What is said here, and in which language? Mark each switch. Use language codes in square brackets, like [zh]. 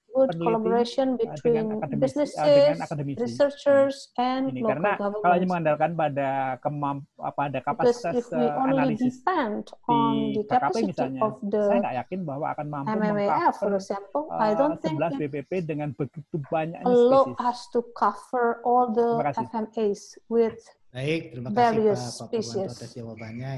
[en] Good collaboration between businesses, researchers, and local [id] karena [en] governments. [id] Kalau hanya mengandalkan pada pada kapasitas analisis di KKP misalnya, saya nggak yakin bahwa akan mampu mengcover 11 BPP dengan begitu banyak spesies. [en] Allow us to cover all the FMAs with [id] baik, terima kasih Pak Perwanto atas jawabannya.